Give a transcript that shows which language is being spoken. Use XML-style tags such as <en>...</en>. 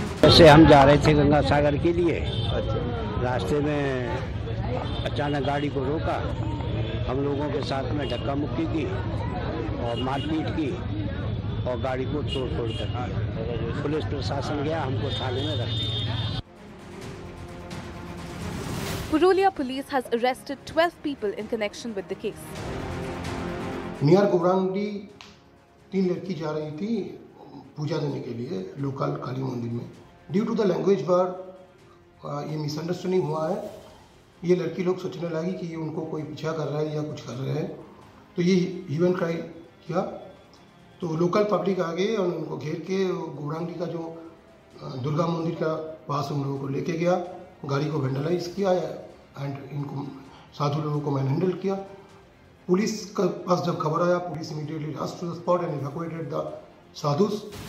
<hi>से हम जा रहे थे गंगा सागर के लिए रास्ते में अचानक गाड़ी को रोका हम लोगों के साथ में धक्का मुक्की की और मारपीट की और गाड़ी को तोड़-फोड़ कर पुलिस प्रशासन गया हमको थाने में रख दिया</hi> <en>Purulia police has arrested 12 people in connection with the case.</en> <hi>Near गुबरांगडी तीन लड़की जा रही थी पूजा देने के लिए लोकल काली मंदिर में</hi> <en>Due to the language bar,</en> <hi>ये misunderstanding हुआ है, ये लड़की लोग सोचने लगी कि ये उनको कोई पीछा कर रहा है या कुछ कर रहे हैं, तो ये hue and cry किया, तो local public आ गए और उनको घेर के गुबरांगडी का जो दुर्गा मंदिर का पास उन लोगों को लेके गया, गाड़ी को vandalize किया and इनको साधु लोगों को manhandle किया, police के पास जब खबर आया,</hi> <en>police immediately rushed to the spot and evacuated the sadhus.</en>